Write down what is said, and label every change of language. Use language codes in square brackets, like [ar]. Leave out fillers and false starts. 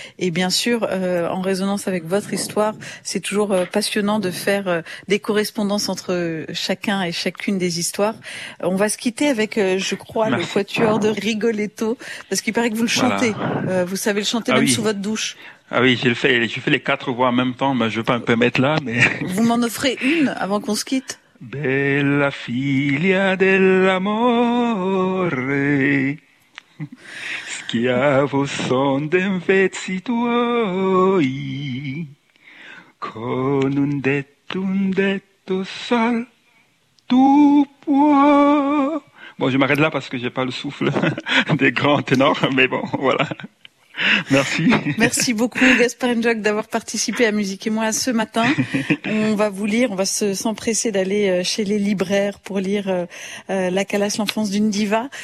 [fr] Et bien sûr, en résonance avec votre histoire, c'est toujours passionnant de faire des correspondances entre chacun et chacune des histoires. On va se quitter avec, je crois, Merci. Le quatuor de Rigoletto. Parce qu'il paraît que vous le chantez. Voilà. Vous savez le chanter sous votre douche. Ah oui, j'ai fait. Je fais les quatre voix en même temps, mais je vais pas me permettre là. Mais vous m'en offrez une avant qu'on se quitte. [it] Bella figlia dell'amore, schiavo son d'invezzi tuoi, con un detto sol, tu puoi. [fr] Bon, je m'arrête là parce que j'ai pas le souffle des grands ténors, mais bon, voilà. Merci. Merci beaucoup, Gaspard Njok, d'avoir participé à Musique et moi ce matin. On va vous lire, on va s'empresser d'aller chez les libraires pour lire La Calas, l'enfance d'une diva.